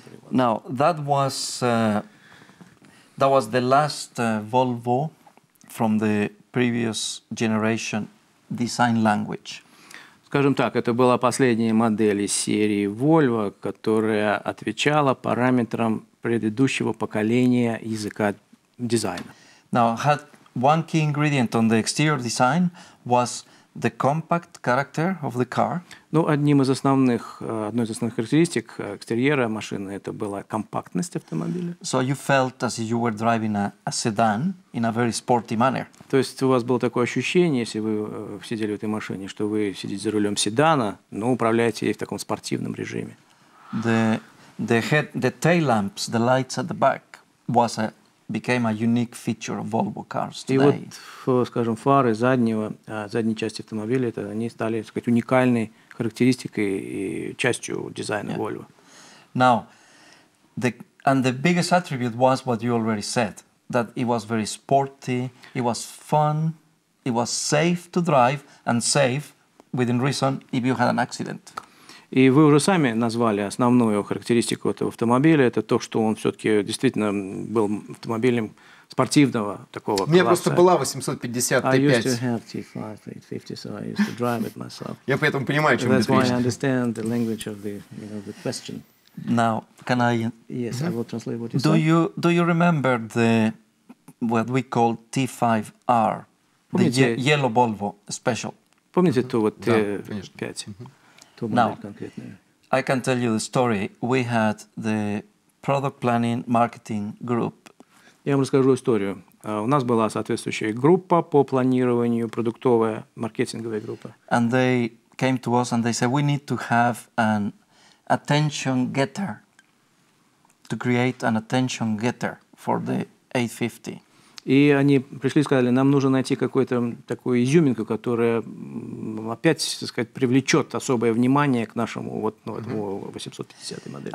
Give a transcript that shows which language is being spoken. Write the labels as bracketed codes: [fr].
[en] Now that was the last Volvo from the previous generation design language. [ru] Скажем так, это была последняя модель из серии Volvo, которая отвечала параметрам предыдущего поколения языка дизайна. [en] Now, had one key ingredient on the exterior design was the compact character of the car. [ru] Ну, одной из основных характеристик экстерьера машины это была компактность автомобиля. [en] So you felt as you were driving a sedan in a very sporty manner. [ru] То есть у вас было такое ощущение, если вы сидели в этой машине, что вы сидите за рулем седана, но управляете ей в таком спортивном режиме. [en] The tail lamps, the lights at the back was a became a unique feature of Volvo cars today. [ru] И вот, скажем, фары задней части автомобиля, это они стали, так сказать, уникальной характеристикой и частью дизайна Volvo. [en] Now, the biggest attribute was what you already said, that it was very sporty, it was fun, it was safe to drive, and safe within reason if you had an accident. [ru] И вы уже сами назвали основную характеристику этого автомобиля. Это то, что он все-таки действительно был автомобилем спортивного такого класса. У меня просто была 850 [en] T5. I used to have T5, so I used to drive it myself. [ru] Я поэтому понимаю, о чем это речь. [en] That's why I understand the language of the, you know, the question. Now, can I... Yes, mm-hmm. I will translate what you said. Do you remember the, what we call T5R? [ru] Помните? [en] The yellow Volvo special. [ru] Помните ту вот T5? [en] Now, I can tell you the story. We had the product planning marketing group. [ru] Я вам расскажу историю. У нас была соответствующая группа по планированию, продуктовая, маркетинговая группа. [en] And they came to us and they said, we need to have an attention getter, to create an attention getter for the 850. [ru] И они пришли и сказали, нам нужно найти какую-то такую изюминку, которая опять, так сказать, привлечет особое внимание к нашему вот, ну, этому 850-й модели.